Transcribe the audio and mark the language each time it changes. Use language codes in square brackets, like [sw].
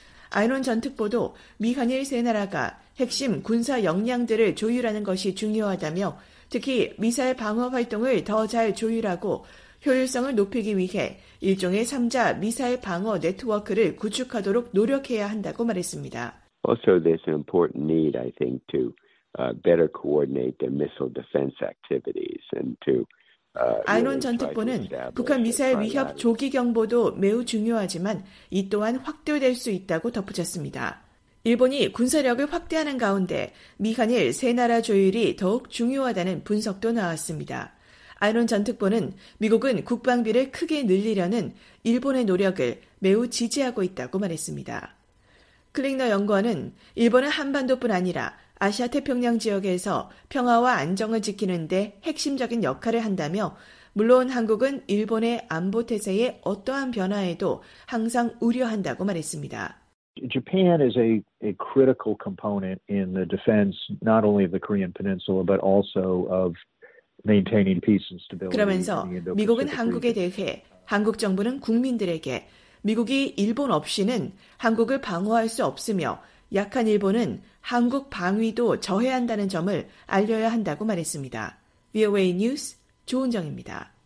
[ko] 아이론 전 특보도 미한일 세 나라가 핵심 군사 역량들을 조율하는 것이 중요하다며 특히 미사일 방어 활동을 더 잘 조율하고 효율성을 높이기 위해 일종의 3자 미사일 방어 네트워크를 구축하도록 노력해야 한다고 말했습니다. [en] Also, there's an important need, I think, to better coordinate the missile defense activities and to [ko] 아이론 전 특보는 북한 미사일 위협 조기 경보도 매우 중요하지만 이 또한 확대될 수 있다고 덧붙였습니다. 일본이 군사력을 확대하는 가운데 미한일 세 나라 조율이 더욱 중요하다는 분석도 나왔습니다. 아이론 전 특보는 미국은 국방비를 크게 늘리려는 일본의 노력을 매우 지지하고 있다고 말했습니다. 클링너 연구원은 일본은 한반도뿐 아니라 아시아 태평양 지역에서 평화와 안정을 지키는 데 핵심적인 역할을 한다며 물론 한국은 일본의 안보 태세의 어떠한 변화에도 항상 우려한다고 말했습니다. [en] Japan is a critical component in the defense not only of the Korean Peninsula but also of maintaining peace and stability. [ko] 그러면서 미국은 한국에 대해 한국 정부는 국민들에게 미국이 일본 없이는 한국을 방어할 수 없으며 약한 일본은 한국 방위도 저해한다는 점을 알려야 한다고 말했습니다. VOA 뉴스 조은정입니다.